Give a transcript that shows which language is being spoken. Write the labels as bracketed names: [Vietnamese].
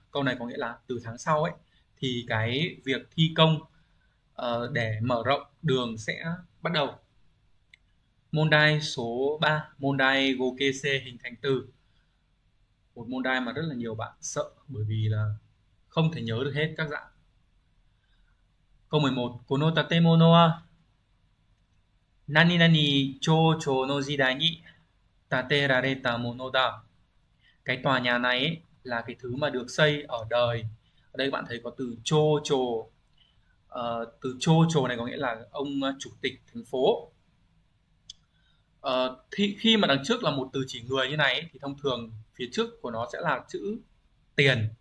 [Vietnamese] Câu này có nghĩa là từ tháng sau ấy, thì cái việc thi công để mở rộng đường sẽ bắt đầu. Môn đai số 3, môn đai Gokese hình thành từ. Một môn đai mà rất là nhiều bạn sợ, bởi vì là không thể nhớ được hết các dạng. [Japanese] Câu 11, この建物は何々町長の時代に建てられたものだ。 [Vietnamese] Cái tòa nhà này ấy, là cái thứ mà được xây ở đời. Ở đây bạn thấy có từ chô chồ. Từ chô chồ này có nghĩa là ông chủ tịch thành phố. Khi mà đằng trước là một từ chỉ người như này ấy, thì thông thường phía trước của nó sẽ là chữ tiền.